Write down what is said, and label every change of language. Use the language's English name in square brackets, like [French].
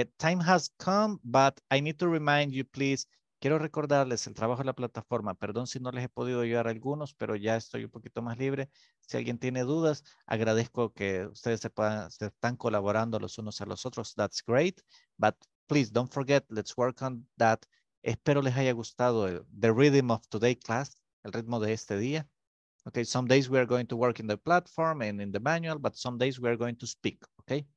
[English] Time has come, but I need to remind you, please. [Spanish] Quiero recordarles el trabajo de la plataforma. Perdón si no les he podido ayudar a algunos, pero ya estoy un poquito más libre. Si alguien tiene dudas, agradezco que ustedes se están colaborando los unos a los otros. [English] That's great. But please, don't forget, let's work on that. [Spanish] Espero les haya gustado [English] the rhythm of today's class, [Spanish] el ritmo de este día. [English] Okay, some days we are going to work in the platform and in the manual, but some days we are going to speak, okay?